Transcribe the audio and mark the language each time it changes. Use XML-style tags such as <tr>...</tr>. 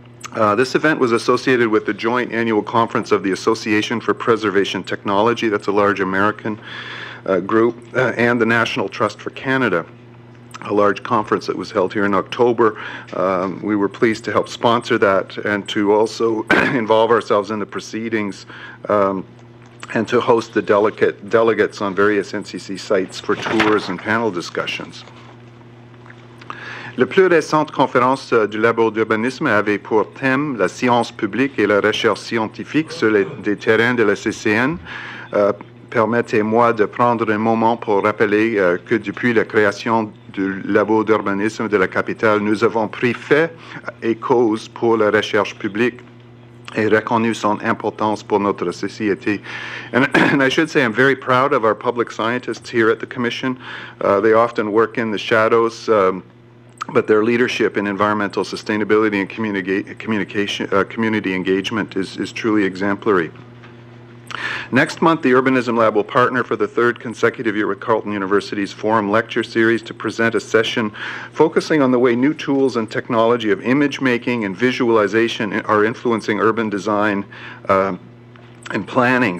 <en>This event was associated with the joint annual conference of the Association for Preservation Technology, that's a large American group, and the National Trust for Canada, a large conference that was held here in October. We were pleased to help sponsor that and to also involve ourselves in the proceedings and to host the delegates on various NCC sites for tours and panel discussions.</en> <fr>La plus récente conférence du Labo d'urbanisme avait pour thème la science publique et la recherche scientifique sur les terrains de la CCN. Permettez-moi de prendre un moment pour rappeler que depuis la création du Labo d'urbanisme de la capitale, nous avons pris fait et cause pour la recherche publique et reconnu son importance pour notre société.</fr> <en>And I should say I'm very proud of our public scientists here at the Commission. They often work in the shadows, but their leadership in environmental sustainability and community engagement is truly exemplary. Next month, the Urbanism Lab will partner for the third consecutive year with Carleton University's Forum Lecture Series to present a session focusing on the way new tools and technology of image making and visualization are influencing urban design and planning.</en>